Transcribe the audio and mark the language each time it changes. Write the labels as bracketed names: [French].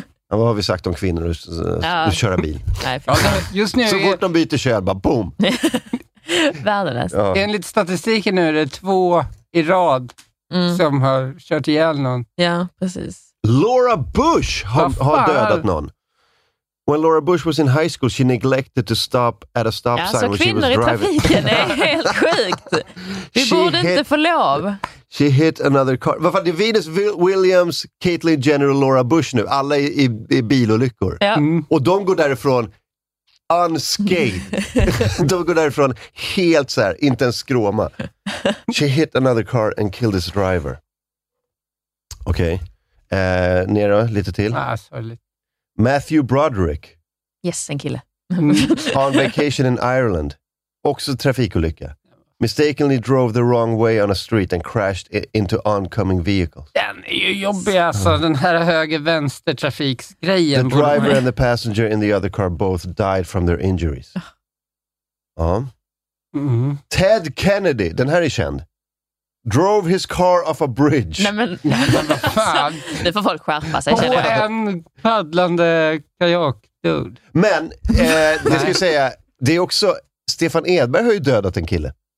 [Swedish] Ja, vad har vi sagt om kvinnor att köra bil? Just nu så fort de byter kör, bara boom! Värdelöst. Ja. Enligt statistiken nu är det två i rad som har kört ihjäl någon. Ja, precis. Laura Bush har dödat någon. [English] When Laura Bush was in high school she neglected to stop at a stop sign when she was driving. [Swedish] Ja, så kvinnor i trafiken är helt sjukt. Vi borde inte få lov. [English] She hit another car. [Swedish] Vad fan, det är Venus Williams, Caitlyn Jenner och Laura Bush nu. Alla i bilolyckor. Ja. Mm. Och de går därifrån [English] unscathed. [Swedish] De går därifrån helt så här, inte en skråma. [English] She hit another car and killed his driver. [Swedish] Okej. [English] Okay. [Swedish] Nera, lite till. [English] Ah, sorry. Matthew Broderick. Yes, [Swedish] en kille. [English] On vacation in Ireland. [Swedish] Också trafikolycka. [English] Mistakenly drove the wrong way on a street and crashed into oncoming vehicles. [Swedish] Den är ju jobbig alltså, den här höger-vänster-trafiksgrejen. [English] The driver and the passenger in the other car both died from their injuries. [Swedish] Ja. Mm-hmm. Ted Kennedy, den här är känd. [English] Drove his car off a bridge. [Swedish] Nej men, fan. Nu får folk skärpa sig. På en paddlande kajak, dude. Men, det ska jag säga, det är också, Stefan Edberg har ju dödat en kille.